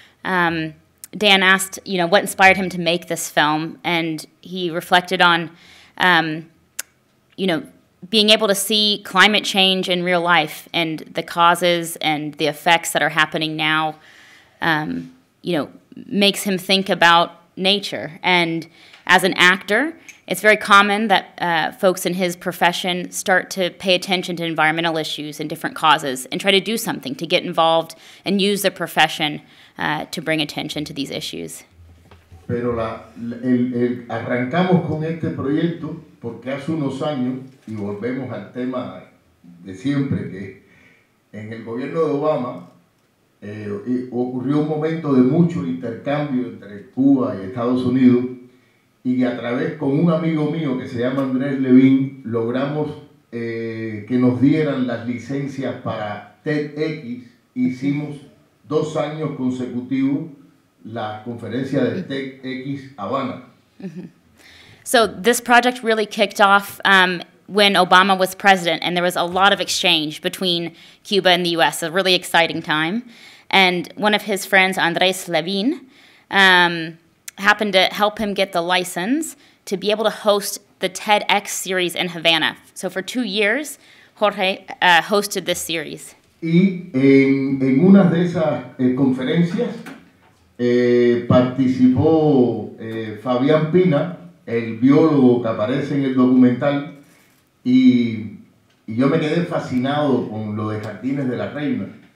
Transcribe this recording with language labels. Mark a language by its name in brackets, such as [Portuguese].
[English] Dan asked, you know, what inspired him to make this film, and he reflected on, you know, being able to see climate change in real life and the causes and the effects that are happening now, you know, makes him think about nature. And as an actor, it's very common that folks in his profession start to pay attention to environmental issues and different causes and try to do something to get involved and use their profession to bring attention to these issues. [Spanish] Pero arrancamos con este proyecto porque hace unos años, y volvemos al tema de siempre, que en el gobierno de Obama ocurrió un momento de mucho intercambio entre Cuba y Estados Unidos, y a través, con un amigo mío que se llama Andrés Levin, logramos que nos dieran las licencias para TEDx. Hicimos 2 años consecutivos la conferencia de TEDx Habana. [English] So this project really kicked off when Obama was president, and there was a lot of exchange between Cuba and the U.S., a really exciting time. And one of his friends, Andrés Levin, happened to help him get the license to be able to host the TEDx series in Havana. So for 2 years, Jorge hosted this series. [Spanish] Y en una de esas conferencias participó Fabián Pina, el biólogo que aparece en el documental, y yo me quedé fascinado con lo de Jardines de la Reina